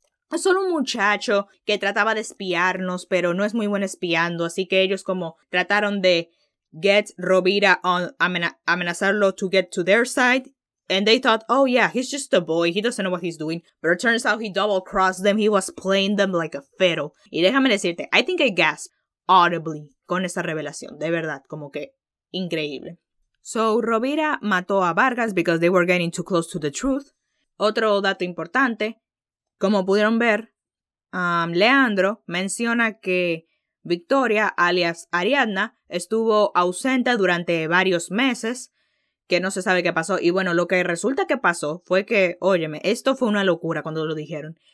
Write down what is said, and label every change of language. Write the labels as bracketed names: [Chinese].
[Spanish] es solo un muchacho que trataba de espiarnos, pero no es muy buen espiando, así que ellos como trataron de [English] get Rovira on, [Spanish] amenazarlo [English] to get to their side, and they thought, oh yeah, he's just a boy, he doesn't know what he's doing, but it turns out he double-crossed them, he was playing them like a fiddle. [Spanish] Y déjame decirte, [English] I think I gasped audibly [Spanish] con esa revelación, de verdad, como que increíble. [English] So, [Spanish] Rovira mató a Vargas [English] because they were getting too close to the truth. [Spanish] Otro dato importante, como pudieron ver, Leandro menciona que Victoria, alias Ariadna, estuvo ausente durante varios meses, que no se sabe qué pasó. Y bueno, lo que resulta que pasó fue que, óyeme, esto fue una locura cuando lo dijeron.